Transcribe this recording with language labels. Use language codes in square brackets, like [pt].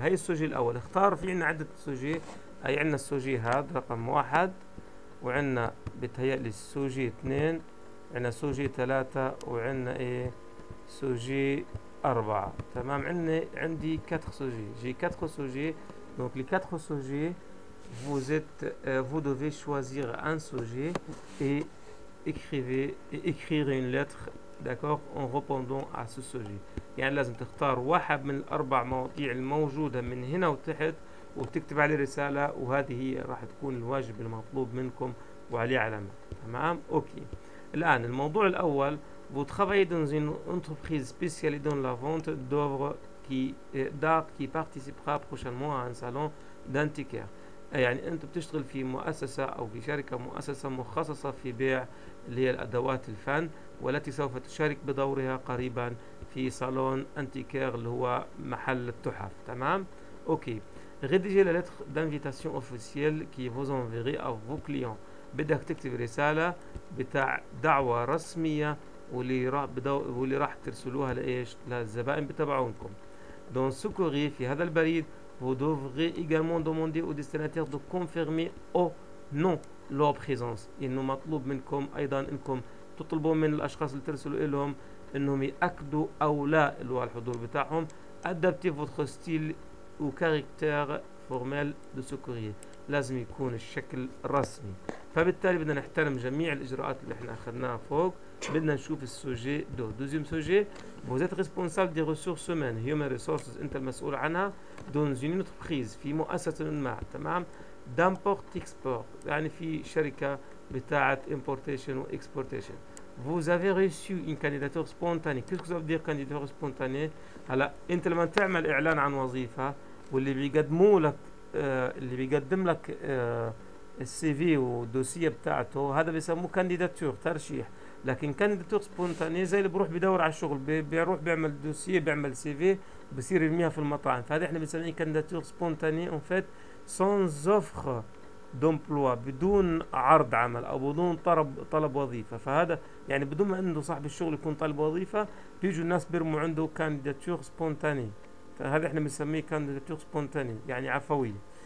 [ar] هاي السوجي الأول، اختار في عنا عدة سوجي، هاي عنا السوجي هاد رقم واحد، وعنا بتهيألي السوجي اثنين، عنا سوجي ثلاثة، وعنا إيه سوجي أربعة، تمام؟ عندي 4 سوجي، جي 4 سوجي. [fr] Donc les quatre sujets, vous devez choisir un sujet et écrire une lettre, d'accord, en répondant à ce sujet. [ar] يعني لازم تختار واحد من الأربع مواضيع الموجودة من هنا وتحت وتكتب عليه رسالة، وهذه هي راح تكون الواجب المطلوب منكم وعليه علامة، تمام؟ أوكي. الآن الموضوع الأول، [fr] vous travaillez dans une entreprise spécialisée dans la vente d'œuvres qui participera prochainement à un salon d'antiquaire. [ar] يعني انت بتشتغل في مؤسسه او في شركه مؤسسه مخصصه في بيع اللي هي الادوات الفن، والتي سوف تشارك بدورها قريبا في صالون انتيكير اللي هو محل التحف، تمام؟ اوكي. [fr] Rédigez la lettre d'invitation officielle qui vous enverrez à vos clients. [ar] بدك تكتب رساله بتاع دعوه رسميه واللي راح ترسلوها لايش؟ للزبائن بتبعونكم. [fr] Dans ce courrier, [ar] في هذا البريد, [fr] vous devrez également demander au destinataire de confirmer ou non leur présence. [ar] إنه مطلوب منكم أيضا إنكم تطلبوا من الأشخاص اللي ترسلوا إلهم إنهم يأكدوا أو لا اللي هو الحضور بتاعهم. [fr] Adaptez votre style ou caractère formel de ce courrier. [ar] لازم يكون الشكل رسمي. فبالتالي بدنا نحترم جميع الإجراءات اللي إحنا أخذناها فوق. بدنا نشوف السوجي دو. دوزيام سوجي، [fr] vous êtes responsable des ressources humaines, [en] human resources، [ar] انت المسؤول عنها، [fr] dans une entreprise، [ar] في مؤسسة ما، تمام؟ d'import export، يعني في شركة بتاعت importation و exportation. [fr] vous avez reçu une candidature spontanée. qu'est-ce que ça veut dire candidature spontanée؟ [ar] هلا انت لما تعمل اعلان عن وظيفة واللي بيقدموا لك اللي بيقدم لك السيفي والدوسية بتاعته، هذا بيسموه candidature، ترشيح. لكن كانديداتور سبونتاني زي اللي بروح بدور على الشغل، بيروح بيعمل دوسيه، بيعمل سي في، بصير يرميها في المطاعم، فهذه احنا بنسميه كانديداتور سبونتاني اون فيت سانز اوفر دومبلوا، بدون عرض عمل او بدون طلب وظيفه، فهذا يعني بدون ما عنده صاحب الشغل يكون طالب وظيفه، بيجوا الناس بيرموا عنده كانديداتور سبونتاني، فهذا احنا بنسميه كانديداتور سبونتاني يعني عفويه.